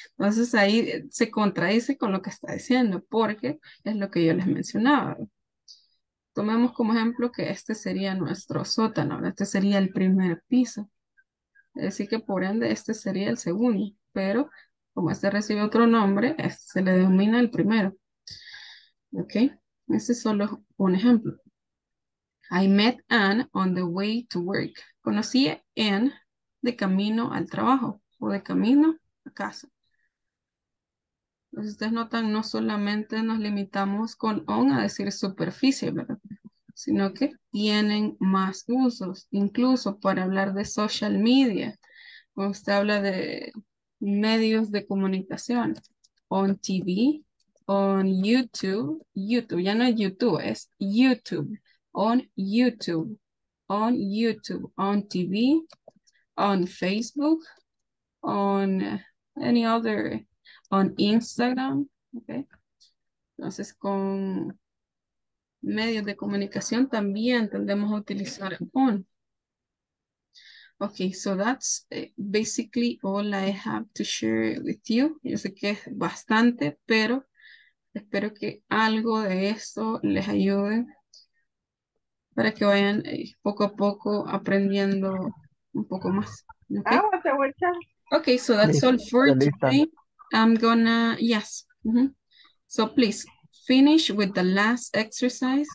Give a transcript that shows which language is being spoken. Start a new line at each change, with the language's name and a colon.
Spanish: Entonces ahí se contradice con lo que está diciendo. Porque es lo que yo les mencionaba. Tomemos como ejemplo que este sería nuestro sótano. Este sería el primer piso. Es decir que por ende este sería el segundo. Pero... como este recibe otro nombre, este se le denomina el primero. ¿Ok? Este solo es un ejemplo.
English: I met Anne on the way to work.
Spanish: Conocí a Anne de camino al trabajo o de camino a casa. Entonces, ustedes notan, no solamente nos limitamos con on a decir superficie, ¿verdad? Sino que tienen más usos. Incluso para hablar de
English: social media,
Spanish: cuando usted habla de... medios de comunicación,
English: on TV, on YouTube,
Spanish: ya no es YouTube, es YouTube,
English: on YouTube, on YouTube, on TV, on Facebook, on any other, on Instagram, okay.
Spanish: Entonces con medios de comunicación también tendemos a utilizar on.
English: Okay, so that's basically all I have to share with you.
Spanish: Yo sé que es bastante, pero espero que algo de esto les ayude para que vayan poco a poco aprendiendo un poco más.
English: Okay, okay, so that's all for today. I'm gonna, yes. Mm-hmm. So please, finish with the last exercise.